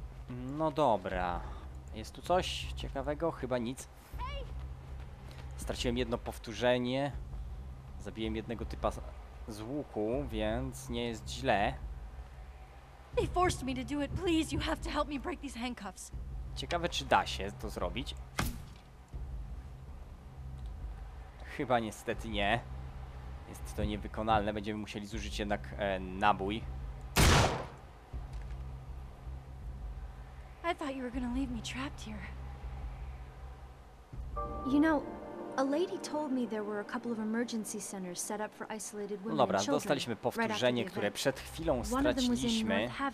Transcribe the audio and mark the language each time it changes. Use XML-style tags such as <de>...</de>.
<pl>No dobra. Jest tu coś ciekawego? Chyba nic. Straciłem jedno powtórzenie. Zabiłem jednego typa z łuku, więc nie jest źle.</pl> <en>They forced me to do it. Please, you have to help me break these handcuffs.</en> <pl>Ciekawe, czy da się to zrobić. Chyba niestety nie. Jest to niewykonalne. Będziemy musieli zużyć jednak nabój.</pl> <en>I thought you were gonna leave me trapped here. You know, a lady told me there were a couple of emergency centers set up for isolated women.</en> <pl>Dobra, dostaliśmy powtórzenie, które przed chwilą straciliśmy.</pl>